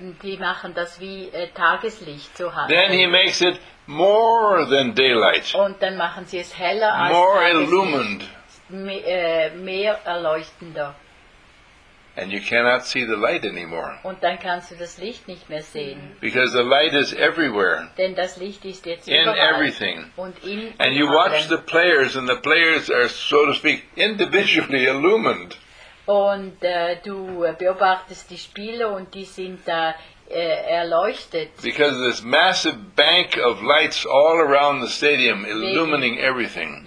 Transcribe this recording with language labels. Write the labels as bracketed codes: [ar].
[de] Die machen das wie Tageslicht zu haben. [en] Then he makes it more than daylight. [de] Und dann machen sie es heller als [en] more [de] Tageslicht. [en] More illumined. [de] Mehr erleuchtender. [en] And you cannot see the light anymore. [de] Und dann kannst du das Licht nicht mehr sehen. [en] Because the light is everywhere. [de] Denn das Licht ist jetzt überall. [en] In everything. [de] Und in [en] and you [de] anderen. [en] Watch the players, and the players are, so to speak, individually illumined. [de] Und du beobachtest die Spieler und die sind da erleuchtet. [en] Because of this massive bank of lights all around the stadium illuminating everything.